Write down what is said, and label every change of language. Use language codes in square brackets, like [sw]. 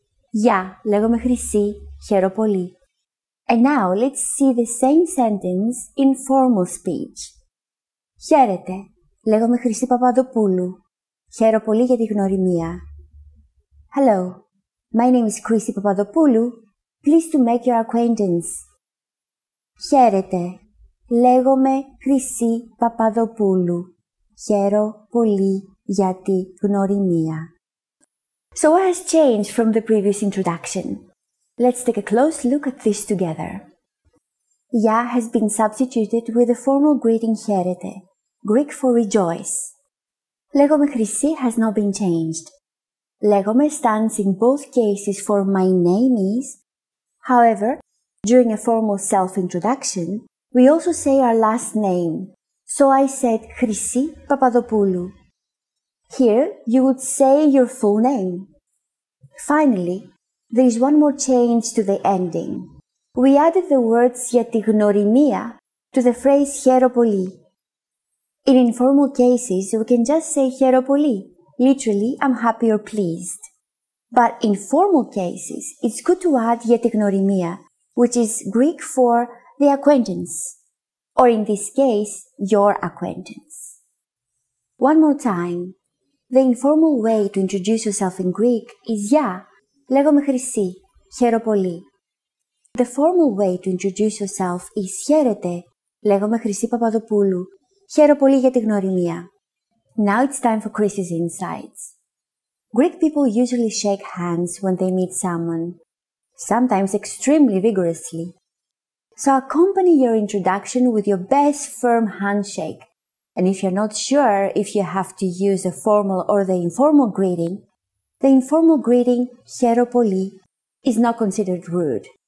[el] «Γεια, λέγομαι Χρυσή, χαίρο πολύ». [en] And now, let's see the same sentence in formal speech. [el] «Χαίρετε, λέγομαι Χρυσή Παπαδοπούλου. Χαίρο πολύ για τη γνωριμία». [en] Hello, my name is Chrissy Παπαδοπούλου. Please to make your acquaintance. [el] Χαίρετε. Λέγομαι Χρυσή Παπαδοπούλου. Χαίρο πολύ για τη γνωριμία. [en] So what has changed from the previous introduction? Let's take a close look at this together. Γεια has been substituted with the formal greeting χαίρετε, Greek for rejoice. [el] Λέγομαι Χρυσή [en] has not been changed. Λέγομαι stands in both cases for my name is. However, during a formal self-introduction, we also say our last name. So I said Χρυσή Παπαδοπούλου. Here, you would say your full name. Finally, there is one more change to the ending. We added the words [el] για τη γνωριμία [en] to the phrase [el] χαίρο πολύ. [en] In informal cases, we can just say [el] χαίρο πολύ, [en] literally, I'm happy or pleased. But in formal cases, it's good to add [el] για τη γνωριμία, [en] which is Greek for the acquaintance, or in this case, your acquaintance. One more time. The informal way to introduce yourself in Greek is [el] γεια, λέγομαι Χρυσή, χαίρο πολύ. [en] The formal way to introduce yourself is [el] χαίρετε, λέγομαι Χρυσή Παπαδοπούλου, χαίρο πολύ για τη γνωριμία. [en] Now it's time for Chrissy's insights. Greek people usually shake hands when they meet someone, sometimes extremely vigorously. So accompany your introduction with your best firm handshake. And if you're not sure if you have to use the formal or the informal greeting, [el] χαίρο πολύ, [en] is not considered rude.